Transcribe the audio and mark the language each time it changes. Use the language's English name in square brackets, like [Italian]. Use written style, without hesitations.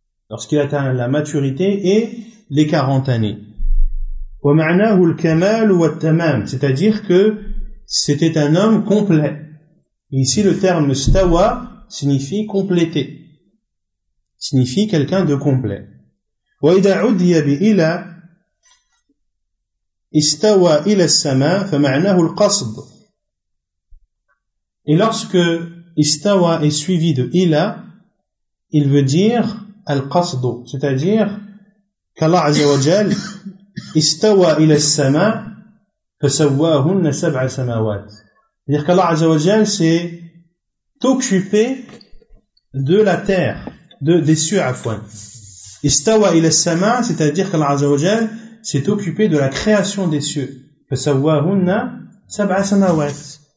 [French] Lorsqu'il a atteint la maturité et les 40 années. [Arabic] ومعناه الكمال والتمام, [French] c'est-à-dire que c'était un homme complet. Ici, le terme stawa signifie compléter, signifie quelqu'un de complet. [Arabic] وإذا عدي بإلى استوى إلى السماء فمعناه القصد. [French] Et lorsque استوى est suivi de إلى, il veut dire القصد, c'est-à-dire qu'Allah [Arabic] عز وجل استوى إلى السماء فسواهن سبع سماوات. [French] C'est-à-dire qu'Allah Azza wa Jal s'est occupé de la terre, des cieux à point. [Arabic] استوى إلى السماء, [French] c'est-à-dire qu'Allah Azza wa Jal s'est occupé de la création des cieux. [Arabic] فسواهن سبع سماوات.